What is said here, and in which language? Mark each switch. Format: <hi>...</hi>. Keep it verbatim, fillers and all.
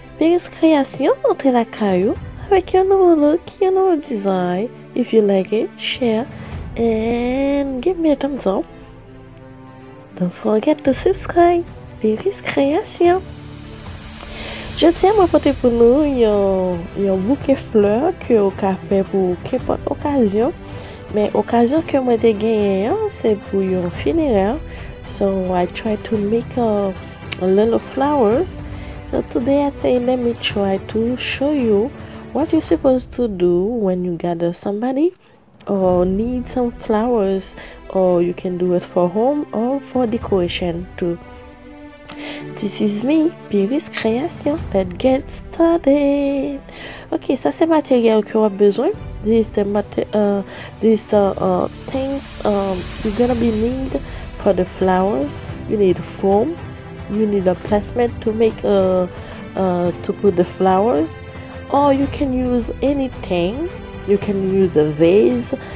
<fr>Périsse Création entre la caillou avec un nouveau look, un nouveau design.</fr> <en>If you like it, share and give me a thumbs up. Don't forget to subscribe. Périsse Création.</en> <fr>Je tiens à porter pour nous un bouquet fleurs que au café pour n'importe occasion. Mais l'occasion que moi j'ai gagné, c'est pour un funéraire.</fr> <en>So I try to make a, a little flowers. So today I say, let me try to show you what you're supposed to do when you gather somebody or need some flowers, or you can do it for home or for decoration too. This is me, Périsse Création. Let's get started.</en> <fr>Ok, ça c'est matériel que vous avez besoin.</fr> <en>These the mater- uh, these uh, uh, things um, you're gonna be need for the flowers. You need foam. You need a placement to make uh, uh, to put the flowers. Or you can use anything. You can use a vase.</en>